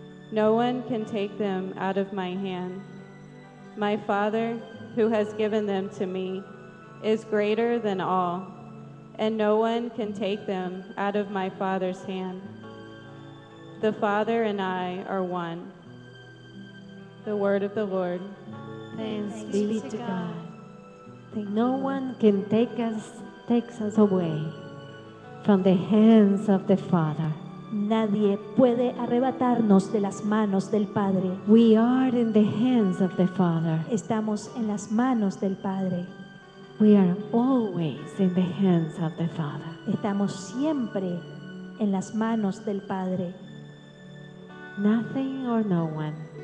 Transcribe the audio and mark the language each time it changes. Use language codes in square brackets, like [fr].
[en] No one can take them out of my hand. My Father, who has given them to me, is greater than all, and no one can take them out of my Father's hand. The Father and I are one. The word of the Lord. Thanks be to God. No one can take us away from the hands of the Father. [es] Nadie puede arrebatarnos de las manos del Padre. [en] We are in the hands of the Father. [es] Estamos en las manos del Padre. [en] We are always in the hands of the Father. [es] Estamos siempre en las manos del Padre. [en] Nothing or no one.